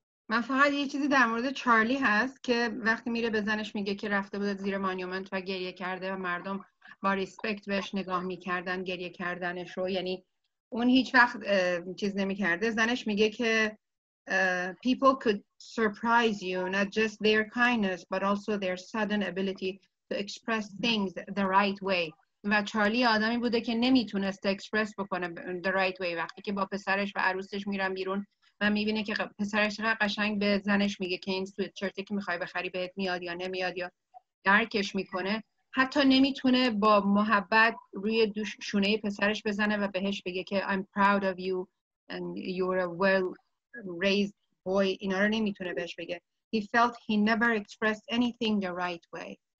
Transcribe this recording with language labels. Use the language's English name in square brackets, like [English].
[Persian] من فقط یه چیزی در مورد چارلی هست که وقتی میره بزنش میگه که رفته بود زیر مانیومنت و گریه کرده و مردم با ریسپکت بهش نگاه می‌کردن گریه کردنش رو، یعنی اون هیچ وقت چیز نمی‌کرده. زنش میگه که [English] people could surprise you not just their kindness but also their sudden ability to express things the right way. [Persian] و چارلی آدمی بوده که نمیتونست اکسپرس بکنه [English] the right way. [Persian] وقتی که با پسرش و عروسش میرن بیرون و میبینه که پسرش چقدر قشنگ به زنش میگه که این سویت شرتی که میخوای بخری بهت میاد یا نمیاد یا درکش میکنه، حتی نمیتونه با محبت روی شونه پسرش بزنه و بهش بگه که [English] I'm proud of you and you're a well raised boy. [Persian] اینا رو نمیتونه بهش بگه. [English] He felt he never expressed anything the right way.